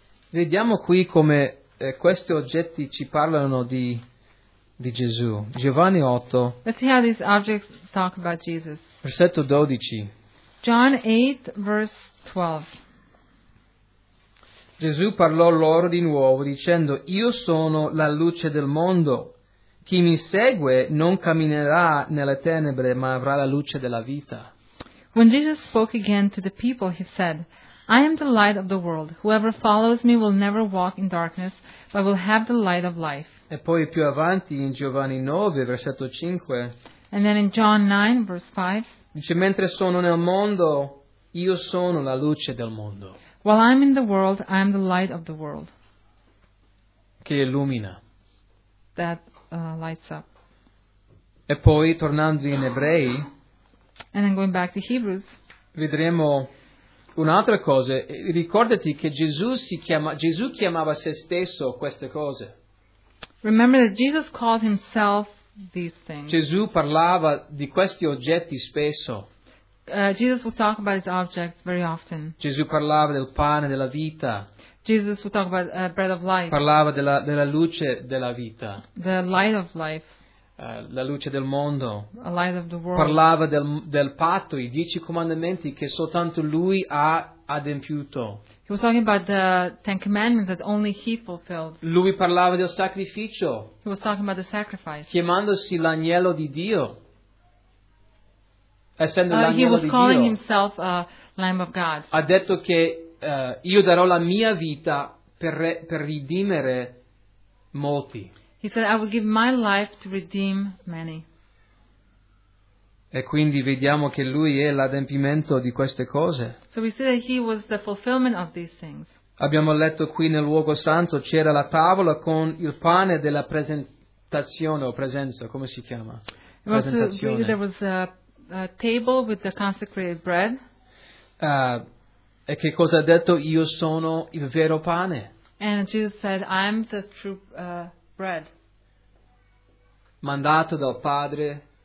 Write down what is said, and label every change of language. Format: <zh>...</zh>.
<it>Vediamo qui come questi oggetti ci parlano di Gesù. Giovanni 8.</it> <en>Let's see how these objects talk about Jesus.</en> <it>Versetto 12.</it> <en>John 8, verse 12.</en> <it>Gesù parlò loro di nuovo dicendo: Io sono la luce del mondo. Chi mi segue non camminerà nelle tenebre, ma avrà la luce della vita.</it> <en>When Jesus spoke again to the people, he said, I am the light of the world. Whoever follows me will never walk in darkness, but will have the light of life.</en> <it>E poi più avanti in Giovanni 9, versetto 5.</it> <en>And then in John 9, verse 5.</en> <it>Dice, mentre sono nel mondo, io sono la luce del mondo.</it> <en>While I'm in the world, I am the light of the world.</en> <it>Che illumina.</it> <en>That lights up.</en> <it>E poi, tornando in Ebrei.</it> <en>And then going back to Hebrews.</en> <it>Vedremo un'altra cosa, ricordati che Gesù chiamava se stesso queste cose.</it> <en>Remember that Jesus called himself these things.</en> <it>Gesù parlava di questi oggetti spesso.</it> <en>Jesus would talk about his objects very often.</en> <it>Gesù parlava del pane della vita.</it> <en>Jesus would talk about bread of life.</en> <it>Parlava della luce della vita.</it> <en>The light of life.</en> <it>La luce del mondo.</it> <en>A light of the world.</en> <it>Parlava del patto, i 10 comandamenti che soltanto lui ha adempiuto.</it> <en>He was talking about the 10 commandments that only he fulfilled.</en> <it>Lui parlava del sacrificio.</it> <en>He was talking about the sacrifice.</en> <it>Chiamandosi l'agnello di Dio. Essendo l'agnello di</it> <en>Dio. He was calling</en> <it>Dio.</it> <en>Himself a Lamb of God.</en> <it>Ha detto che io darò la mia vita per redimere molti.</it> <en>He said, I will give my life to redeem many.</en> <it>E quindi vediamo che lui è l'adempimento di queste cose.</it> <en>So we see that he was the fulfillment of these things.</en> <it>Abbiamo letto qui nel luogo santo c'era la tavola con il pane della presentazione o presenza, come si chiama? Presentazione.</it> <en>There was a table with the consecrated bread.</en> <it>E che cosa ha detto? Io sono il vero pane.</it> <en>And Jesus said, I am the true bread.</en> <it>Mandato dal Padre.</it>